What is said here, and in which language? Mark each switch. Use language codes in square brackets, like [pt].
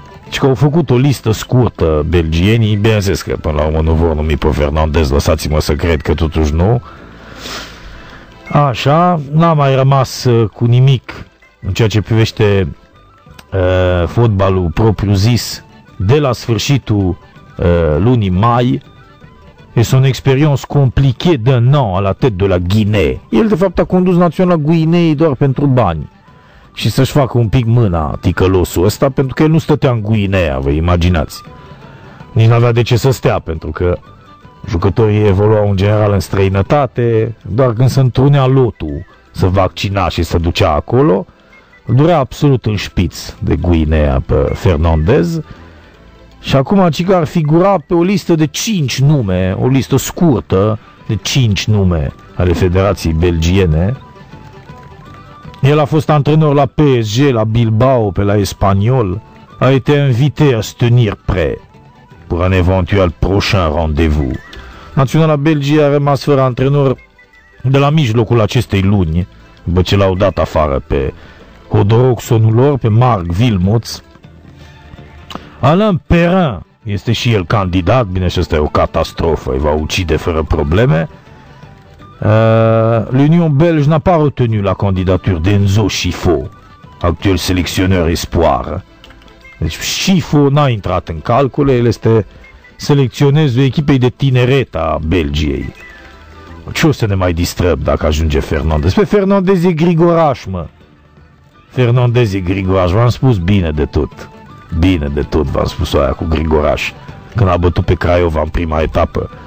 [ro] Și că au făcut o listă scurtă belgienii, bineînțeles că până la urmă nu vor numi pe Fernandez, lăsați-mă să cred că totuși nu. Așa, n-a mai rămas cu nimic în ceea ce privește fotbalul propriu zis de la sfârșitul lunii mai. [fr] E son experience compliquée de un an à la tête de la Guinée. [ro] El de fapt a condus Naționala Guinei doar pentru bani. Și să-și facă un pic mâna ticălosul ăsta, pentru că el nu stătea în Guinea, vă imaginați. Nici n-avea de ce să stea, pentru că jucătorii evoluau în general în străinătate, doar când se întrunea lotul să vaccina și să ducea acolo, durea absolut în șpiț de Guinea pe Fernandez. Și acum Cica ar figura pe o listă de 5 nume, o listă scurtă de 5 nume ale Federației Belgiene. El a fost antrenor la PSG, la Bilbao, pe la Espanyol. [fr] A été invité à se tenir prêt pour un éventuel prochain rendez-vous. [ro] Naționala Belgiei a rămas fără antrenor de la mijlocul acestei luni, după ce l-au dat afară pe Hodorogsonul lor, pe Marc Wilmots. Alain Perrin este și el candidat, bine, și asta e o catastrofă, îi va ucide fără probleme. [fr] L'Union Belge n'a pas retenu la candidature d'Enzo Schifo, actuel selecționer espoir. [ro] Deci Schifo n-a intrat în calcule, el este selecționerul echipei de tineret a Belgiei. Ce o să ne mai distrăm dacă ajunge Fernandez? Pe Fernandez e Grigoraș, mă. Fernandez e Grigoraș, v-am spus bine de tot. Bine de tot v-am spus aia cu Grigoraș, când a bătut pe Craiova în prima etapă.